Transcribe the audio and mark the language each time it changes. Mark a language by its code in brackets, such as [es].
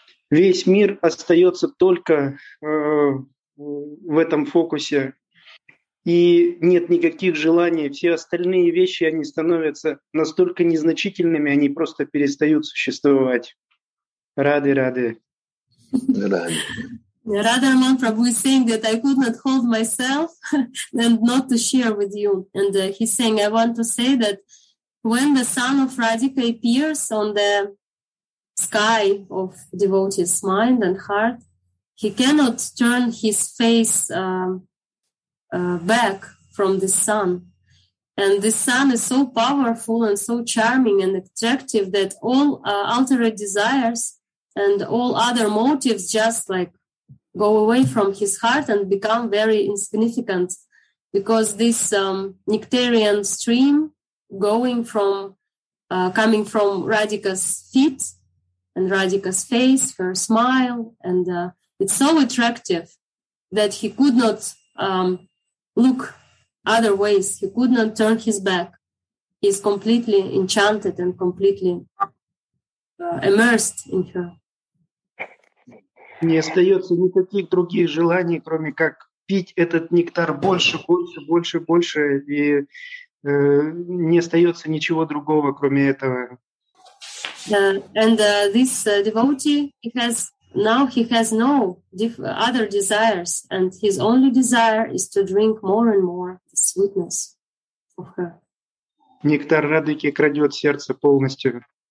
[ru] Весь мир остается только в этом фокусе. И нет никаких желаний. Все остальные вещи, они становятся настолько незначительными, они просто перестают существовать. Рады. [en] Radharaman Prabhu is saying that I could not hold myself and not to share with you. And he's saying, I want to say that when the sun of Radhika appears on the sky of devotee's mind and heart, he cannot turn his face back from the sun. And the sun is so powerful and so charming and attractive that all altered desires and all other motives just like go away from his heart and become very insignificant, because this nectarian stream going from coming from Radhika's feet and Radhika's face, her smile, and it's so attractive that he could not look other ways. He could not turn his back. He's completely enchanted and completely immersed in her. [ru] Не остается никаких других желаний, кроме как пить этот нектар больше, и не остается ничего другого, кроме этого. [en] And this devotee, he has no other desires, and his only desire is to drink more and more the sweetness of her. [ru] Нектар Радхики крадет сердце полностью.